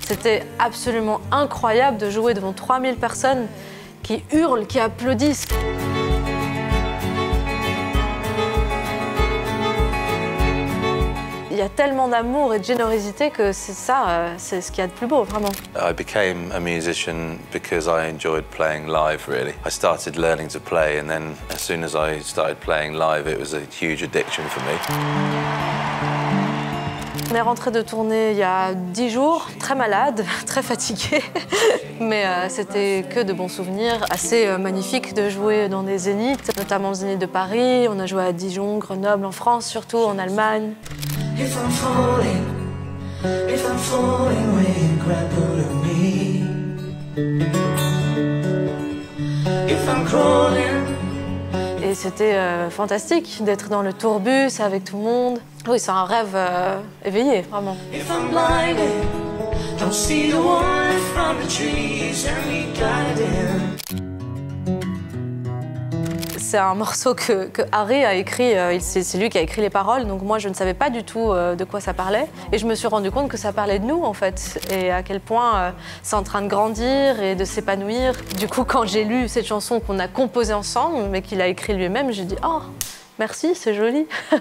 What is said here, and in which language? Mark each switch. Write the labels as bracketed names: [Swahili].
[French] C'était absolument incroyable de jouer devant 3000 personnes qui hurlent, qui applaudissent. Il y a tellement d'amour et de générosité que c'est ça, c'est ce qu'il y a de plus beau, vraiment. [English] I became a musician because I enjoyed playing live, really. I started learning to play, and then as soon as I started playing live, it was a huge addiction for me. [French] On est rentré de tournée il y a 10 jours, très malade, très fatigué, mais c'était que de bons souvenirs. Assez magnifique de jouer dans des zéniths, notamment au zénith de Paris. On a joué à Dijon, Grenoble, en France surtout, en Allemagne. [English] If I'm falling, will you grab hold of me? If I'm crawling. [French] Et c'était fantastique d'être dans le tourbus avec tout le monde. Oui, c'est un rêve éveillé, vraiment. [English] If I'm blinded, don't see the wine from the trees and me guiding. [French] C'est un morceau que Harry a écrit, c'est lui qui a écrit les paroles, donc moi je ne savais pas du tout de quoi ça parlait. Et je me suis rendu compte que ça parlait de nous en fait, et à quel point c'est en train de grandir et de s'épanouir. Du coup, quand j'ai lu cette chanson qu'on a composée ensemble, mais qu'il a écrit lui-même, j'ai dit « Oh, merci, c'est joli !»